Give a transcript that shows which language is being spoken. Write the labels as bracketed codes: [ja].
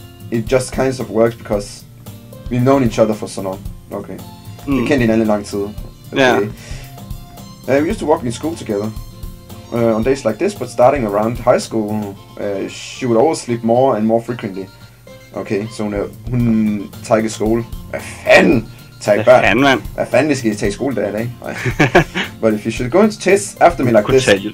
[en] it just kind of works because... We've known each other for so long. Okay. Mm. We [da] kendt hinanden lang tid. [en] Okay. Yeah. We used to walk in school together. On days like this, but starting around high school... she would always sleep more and more frequently. [da] Okay, so hun tager ikke skole. Hvad fanden? Hvad fanden, vi skal tage i skole der i dag? [en] But if you should go into chase after me like this...